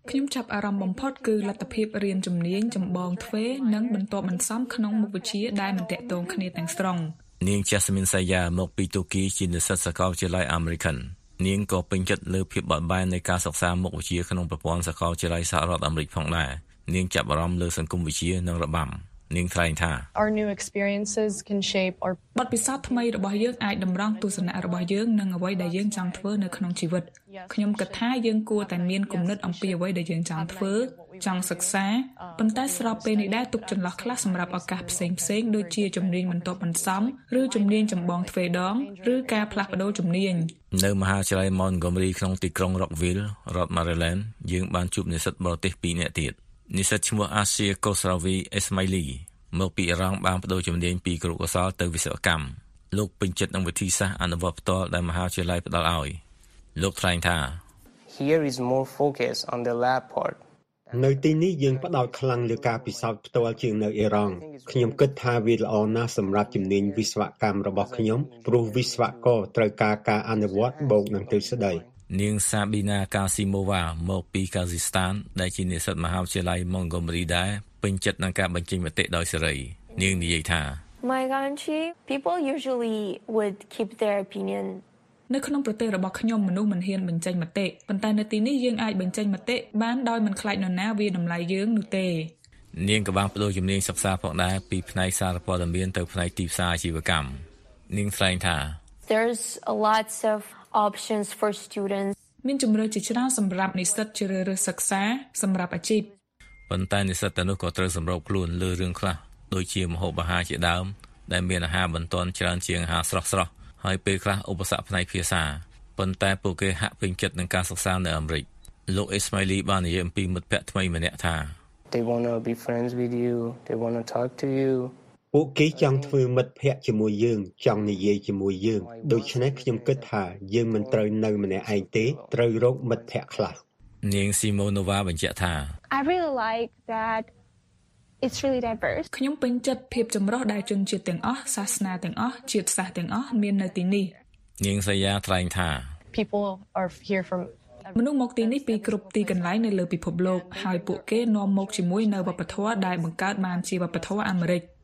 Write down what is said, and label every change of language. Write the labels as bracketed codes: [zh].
[km] ខ្ញុំចាប់អារម្មណ៍បំផុតគឺលទ្ធភាពរៀនជំនាញចម្បងទ្វេនិងបន្តបន្សំក្នុងមុខវិជ្ជាដែលមិនតាក់ទងគ្នាទាំងស្រុង នាងចាស់មីនសាយ៉ាមកពីតូគីជានិស្សិតសាកលវិទ្យាល័យអាមេរិកនាងក៏ពេញចិត្តលើភាពបត់បែននៃការសិក្សាមុខវិជ្ជាក្នុងប្រព័ន្ធសាកលវិទ្យាល័យសហរដ្ឋអាមេរិកផងដែរនាងចាប់អារម្មណ៍លើសង្គមវិជានិងរបាំនាងថ្លែងថា [en] Our new experiences can shape our [km] បទពិសោធន៍ថ្មីរបស់យើងអាចតម្រង់ទស្សនៈរបស់យើងនិងអ្វីដែលយើងចង់ធ្វើនៅក្នុងជីវិតខ្ញុំគិតថាយើងគួរតែមានគំនិតអំពីអ្វីដែលយើងចង់ធ្វើចង់សិក្សាប៉ុន្តែស្របពេលនេះដែរទុកចន្លោះខ្លះសម្រាប់ឱកាសផ្សេងផ្សេងដូចជាជំនាញបន្តបន្សំឬជំនាញចម្បងទ្វេដងឬការផ្លាស់ប្ដូរជំនាញ នៅមហាវិទ្យាល័យ Montgomery ក្នុងទីក្រុង Rockville រដ្ឋ Maryland យើងបានជួបនិស្សិតបរទេស2នាក់ទៀតនិស្សិតឈ្មោះ Asia Kosravi Ismaili មកពីអ៊ីរ៉ង់បានបដូរជំនាញពីគរុកោសលទៅវិស្វកម្មលោកពេញចិត្តនឹងវិធីសាស្ត្រអនុវត្តផ្ទាល់ដែលមហាវិទ្យាល័យផ្ដល់ឲ្យលោកថ្លែងថា [en] Here is more focus on the lab part [km] នៅទីនេះយើងផ្ដោតខ្លាំងលើការពិសោធន៍ផ្ទាល់ជាងនៅអ៊ីរ៉ង់ខ្ញុំគិតថាវាល្អណាស់សម្រាប់ជំនាញវិស្វកម្មរបស់ខ្ញុំព្រោះវិស្វករត្រូវការការអនុវត្តបូកនឹងទ្រឹស្ដី នាងសាប៊ីណាកាស៊ីម៉ូវ៉ាមកពីកាហ្សាស្ថានដែលជានិស្សិតមហាវិទ្យាល័យម៉ង់ហ្គោមរីដែរពេញចិត្តនឹងការបញ្ចេញមតិដោយសេរីនាងនិយាយថា [en] My country people usually would keep their opinion [km] នៅក្នុងប្រទេសរបស់ខ្ញុំមនុស្សមិនហ៊ានបញ្ចេញមតិប៉ុន្តែនៅទីនេះយើងអាចបញ្ចេញមតិបានដោយមិនខ្លាចនរណាវាតម្លៃយើងនោះទេ នាងក៏បានបដូរជំនាញសិក្សាផងដែរពីផ្នែកសារព័ត៌មានទៅផ្នែកទីផ្សារអាជីវកម្មនាងថ្លែងថា [en] There's a lot ofoptions for students [km] មានជំរើសជាច្រើនសម្រាប់និស្សិតជ្រើសរើសសិក្សាសម្រាប់អាជីព ប៉ុន្តែនិស្សិតទាំងនោះក៏ត្រូវសម្របខ្លួនលើរឿងខ្លះដូចជាម្ហូបអាហារជាដើមដែលមានអាហារបន្ទាន់ច្រើនជាងអាហារស្រស់ស្រស់ហើយពេលខ្លះឧបសគ្គផ្នែកភាសាប៉ុន្តែពួកគេហាក់ពេញចិត្តនឹងការសិក្សានៅអាមេរិកលោកអេស្មៃលីបាននិយាយអំពីមិត្តភក្តិថ្មីម្នាក់ថា [en] They want to be friends with you they want to talk to you [km] ពួកគេចង់ធ្វើមិត្តភក្តិជាមួយយើងចង់និយាយជាមួយយើងដូច្នេះខ្ញុំគិតថាយើងមិនត្រូវនៅម្នាក់ឯងទេត្រូវរកមិត្តភក្តិខ្លះ នាងស៊ីម៉ូណូវ៉ាបញ្ជាក់ថា [en] I really like that it's really diverse [km] ខ្ញុំពេញចិត្តភាពចម្រុះដែលជនជាតិទាំងអស់សាសនាទាំងអស់ជាតិសាសន៍ទាំងអស់មាននៅទីនេះ នាងសាយ៉ាថ្លែងថា [en] People are here from [km] មនុស្សមកទីនេះពីគ្រប់ទីកន្លែងនៅលើពិភពលោកហើយពួកគេនាំមកជាមួយនៅវប្បធម៌ដែលបង្កើតបានជាវប្បធម៌អាមេរិក